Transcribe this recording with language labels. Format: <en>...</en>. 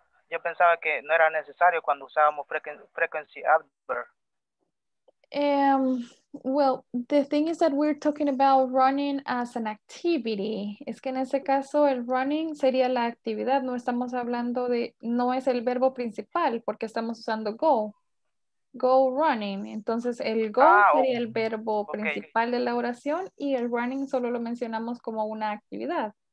<es>Yo pensaba que no era necesario cuando usábamos frequency adverb.</es> <en>Well, the thing is that we're talking about running as an activity.</en> <es>Es que en ese caso el running sería la actividad. No estamos hablando de, no es el verbo principal porque estamos usando go.</es> <en>Go running.</en> <es>Entonces el go sería el verbo principal de la oración y el running solo lo mencionamos como una actividad.</es>